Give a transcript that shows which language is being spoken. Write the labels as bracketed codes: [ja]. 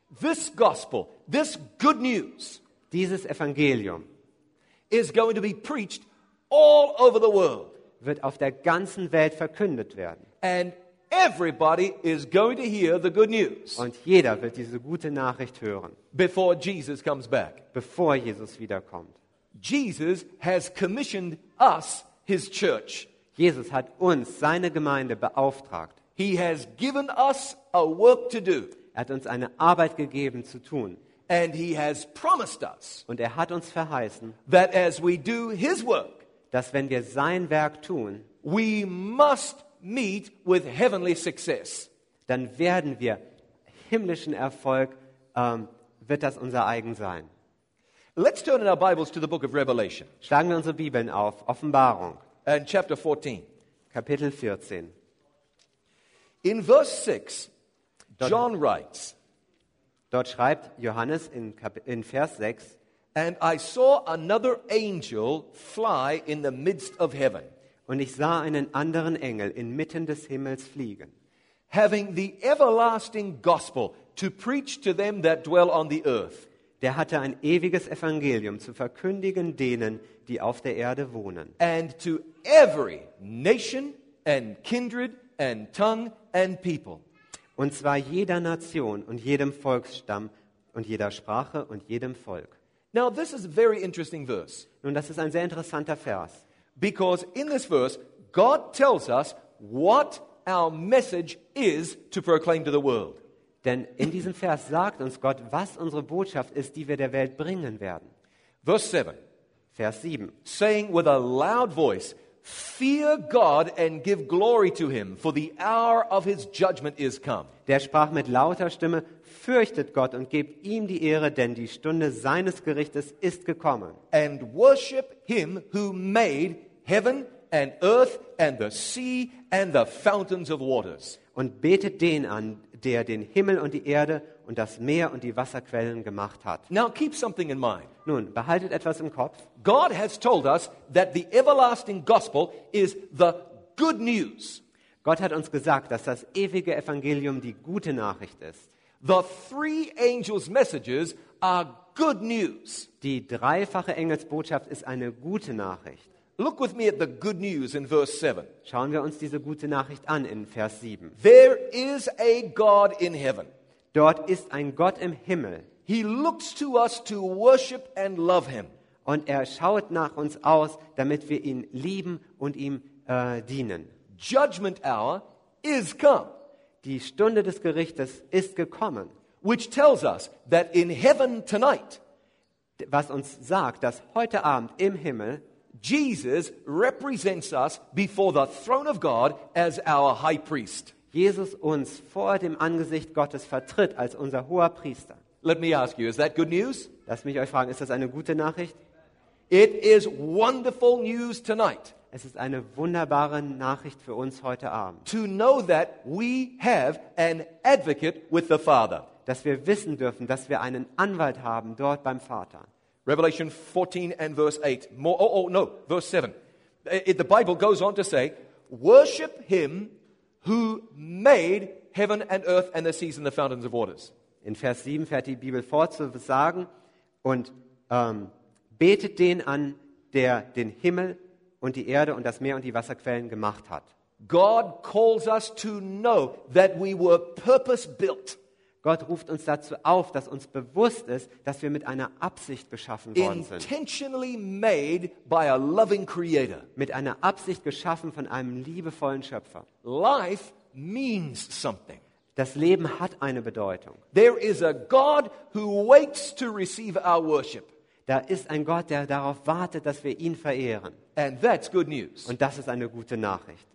[en] This gospel, this good news, [de] dieses Evangelium [en] is going to be preached all over the world. [de] Wird auf der ganzen Welt verkündet werden. [en] And everybody is going to hear the good news. [de] Und jeder wird diese gute Nachricht hören. [en] Before Jesus comes back. [de] Bevor Jesus wiederkommt. [en] Jesus has commissioned us his church. [de] Jesus hat uns seine Gemeinde beauftragt. [en] He has given us a work to do. [de] Er hat uns eine Arbeit gegeben zu tun. [en] And he has promised us. [de] Und er hat uns verheißen, [en] that as we do his work, [de] dass wenn wir sein Werk tun, [en] we must meet with heavenly success. [de] Dann werden wir himmlischen Erfolg, wird das unser eigen sein. [en] Let's turn in our Bibles to the book of Revelation. [de] Schlagen wir unsere Bibeln auf Offenbarung. [en] And chapter 14. [de] Kapitel 14. [en] In verse 6, John writes. [de] Dort schreibt Johannes in Vers 6, [en] and I saw another angel fly in the midst of heaven. [de] Und ich sah einen anderen Engel inmitten des Himmels fliegen. [en] Having the everlasting gospel to preach to them that dwell on the earth. [de] Der hatte ein ewiges Evangelium zu verkündigen denen, die auf der Erde wohnen. [en] And to every nation and kindred and tongue and people. [de] Und zwar jeder Nation und jedem Volksstamm und jeder Sprache und jedem Volk. [en] Now this is a very interesting verse. [de] Nun, das ist ein sehr interessanter Vers. [en] Because in this verse God tells us what our message is to proclaim to the world. [de] Denn in diesem Vers sagt uns Gott, was unsere Botschaft ist, die wir der Welt bringen werden. [en] Verse 7. [de] Vers 7. [en] Saying with a loud voice, Fear God and give glory to him, for the hour of his judgment is come. [de] Der sprach mit lauter Stimme: Fürchtet Gott und gebt ihm die Ehre, denn die Stunde seines Gerichtes ist gekommen. [en] And worship him who made heaven and earth and the sea and the fountains of waters. [de] Und betet den an, der den Himmel und die Erde und das Meer und die Wasserquellen gemacht hat. [en] Now keep something in mind. [de] Nun, behaltet etwas im Kopf. [en] God has told us that the everlasting gospel is the good news. [de] Gott hat uns gesagt, dass das ewige Evangelium die gute Nachricht ist. [en] The three angels' messages are good news. [de] Die dreifache Engelsbotschaft ist eine gute Nachricht. [en] Look with me at the good news in verse 7. [de] Schauen wir uns diese gute Nachricht an in Vers 7. [en] There is a God in heaven. [de] Dort ist ein Gott im Himmel. [en] He looks to us to worship and love him. [de] Und er schaut nach uns aus, damit wir ihn lieben und ihm dienen. [en] Judgment hour is come. [de] Die Stunde des Gerichtes ist gekommen. [en] Which tells us that in heaven tonight, [de] was uns sagt, dass heute Abend im Himmel [en] Jesus represents us before the throne of God as our high priest. [de] Jesus uns vor dem Angesicht Gottes vertritt als unser hoher Priester. [en] Let me ask you, is that good news? [de] Lass mich euch fragen, ist das eine gute Nachricht? [en] It is wonderful news tonight. [de] Es ist eine wunderbare Nachricht für uns heute Abend. [en] To know that we have an advocate with the Father. [de] Dass wir wissen dürfen, dass wir einen Anwalt haben dort beim Vater. [en] Revelation 14 and verse 8. Verse 7. The Bible goes on to say, worship him who made heaven and earth and the seas and the fountains of waters. [de] In Vers 7 fährt die Bibel fort zu sagen und betet den an, der den Himmel und die Erde und das Meer und die Wasserquellen gemacht hat. [en] God calls us to know that we were purpose built. [de] Gott ruft uns dazu auf, dass uns bewusst ist, dass wir mit einer Absicht geschaffen worden sind. [en] Intentionally made by a loving creator. [de] Mit einer Absicht geschaffen von einem liebevollen Schöpfer. [en] Life means something. [de] Das Leben hat eine Bedeutung. [en] There is a God who waits to receive our worship. [de] Da ist ein Gott, der darauf wartet, dass wir ihn verehren. [en] And that's good news. [de] Und das ist eine gute Nachricht.